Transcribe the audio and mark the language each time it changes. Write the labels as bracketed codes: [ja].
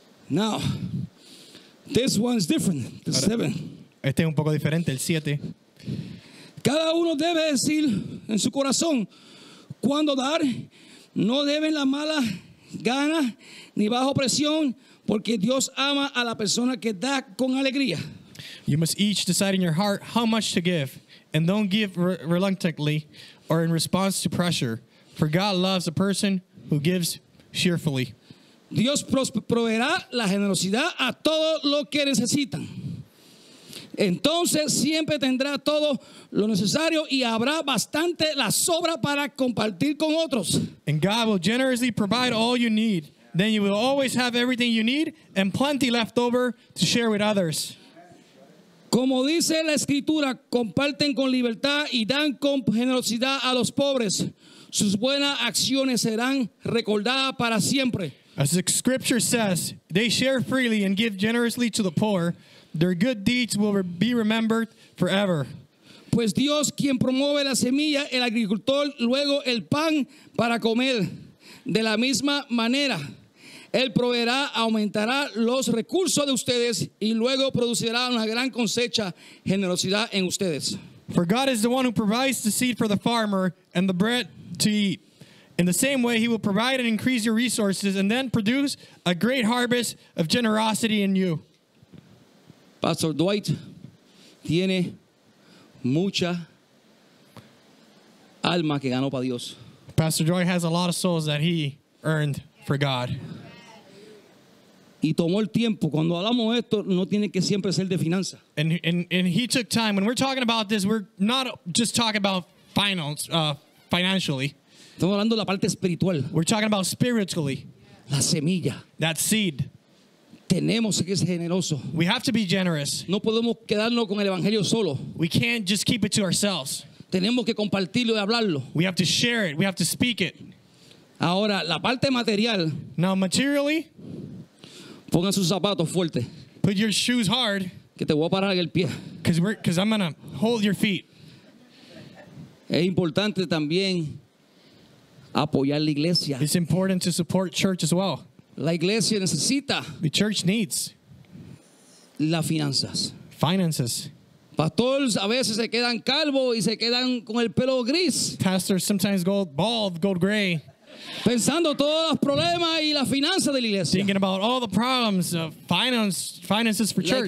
[en] Now, this one is different. The ahora, seven. [es] Este es un poco diferente, el siete. Cada uno debe decir en su corazón cuándo dar. No deben la mala gana ni bajo presión, porque Dios ama a la persona que da con alegría. [en] You must each decide in your heart how much to give, and don't give reluctantly or in response to pressure, for God loves a person who gives cheerfully. [es] Dios proveerá la generosidad a todo lo que necesitan. Entonces siempre tendrá todo lo necesario y habrá bastante la sobra para compartir con otros. [en] And God will generously provide all you need. Then you will always have everything you need and plenty left over to share with others. [es] Como dice la escritura, comparten con libertad y dan con generosidad a los pobres. Sus buenas acciones serán recordadas para siempre. [en] As the scripture says, they share freely and give generously to the poor. Their good deeds will be remembered forever. [es] Pues Dios, quien promueve la semilla, el agricultor, luego el pan para comer. De la misma manera, Él proveerá, aumentará los recursos de ustedes y luego producirá una gran cosecha, generosidad en ustedes. [en] For God is the one who provides the seed for the farmer and the bread to eat. In the same way, He will provide and increase your resources and then produce a great harvest of generosity in you. [es] Pastor Dwight tiene mucha alma que ganó para Dios. [en] Pastor Dwight has a lot of souls that he earned for God. [es] Y tomó el tiempo. Cuando hablamos de esto, no tiene que siempre ser de finanzas. [en] And he took time. When we're talking about this, we're not just talking about finance, financially. [es] Estamos hablando de la parte espiritual. [en] We're talking about spiritually. [es] La semilla. [en] That seed. [es] Tenemos que ser generosos. [en] We have to be generous. [es] No podemos quedarnos con el evangelio solo. [en] We can't just keep it to ourselves. [es] Tenemos que compartirlo y hablarlo. [en] We have to share it. We have to speak it. [es] Ahora, la parte material. [en] Now, materially. [es] Ponga sus zapatos fuerte. [en] Put your shoes hard. [es] Que te voy a parar en el pie. [en] Because I'm gonna hold your feet. [es] Es importante también apoyar la iglesia. [en] It's important to support church as well. [es] La iglesia necesita. [en] The church needs. [es] Las finanzas. [en] Finances. [es] Pastores a veces se quedan calvos y se quedan con el pelo gris. [en] Pastors sometimes go bald, go gray. [es] Pensando todos los problemas y las finanzas de la iglesia. [en] Thinking about all the problems of finances for church.